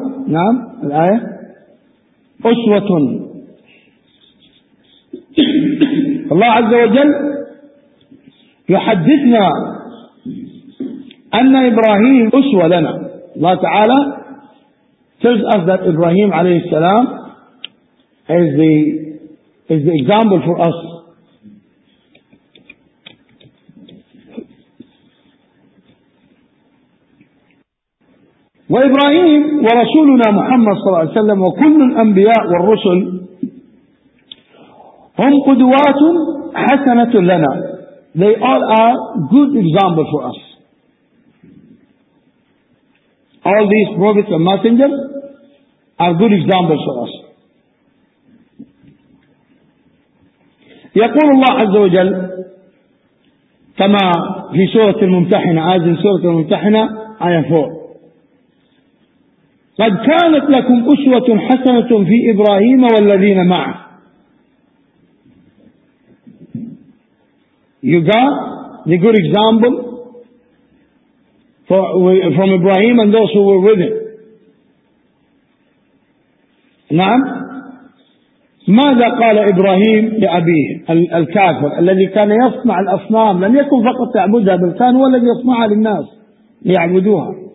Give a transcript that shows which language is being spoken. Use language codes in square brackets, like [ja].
[ar] نعم الآية أسوة. الله عز وجل يحدثنا أن إبراهيم أسوة لنا. [en] الله تعالى tells us that إبراهيم عليه السلام is the example for us. [ar] وإبراهيم ورسولنا محمد صلى الله عليه وسلم وكل الأنبياء والرسل هم قدوات حسنة لنا. [en] They all are good example for us. All these prophets and messengers are good examples for us. [ar] يقول الله عز وجل كما في سورة الممتحنة آية سورة الممتحنة آية 4 قد كانت لكم أسوة حسنة في إبراهيم والذين معه. [en] You got the good example from Ibrahim and those who were with him. [ar] نعم. ماذا قال إبراهيم لأبيه الكافر الذي كان يصنع الأصنام؟ لم يكن فقط يعبدها بل كان هو الذي يصنعها للناس ليعبدوها.